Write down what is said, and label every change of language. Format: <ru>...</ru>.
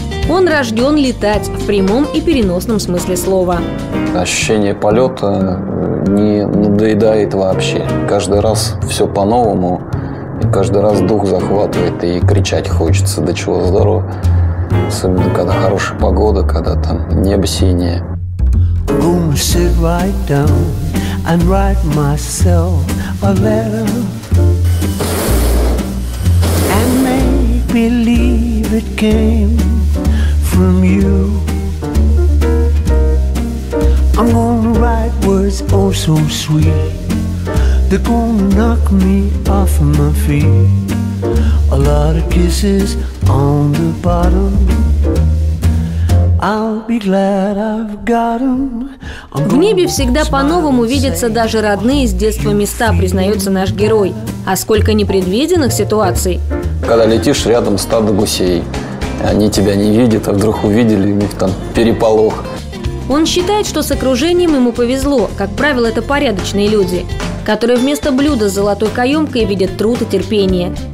<ru>Он рожден летать в прямом и переносном смысле слова. Ощущение полета не надоедает вообще. Каждый раз все по-новому, и каждый раз дух захватывает, и кричать хочется, да чего здорово. Особенно, когда хорошая погода, когда там небо синее.</ru> <en>Sit right down and write myself a letter and make believe it came from you. I'm gonna write words oh so sweet, they're gonna knock me off my feet. A lot of kisses on the bottom, I'll be glad I've got them.</en> <ru>В небе всегда по-новому видятся даже родные с детства места, признается наш герой. А сколько непредвиденных ситуаций. Когда летишь, рядом стадо гусей. Они тебя не видят, а вдруг увидели, у них там переполох. Он считает, что с окружением ему повезло. Как правило, это порядочные люди, которые вместо блюда с золотой каемкой видят труд и терпение.</ru>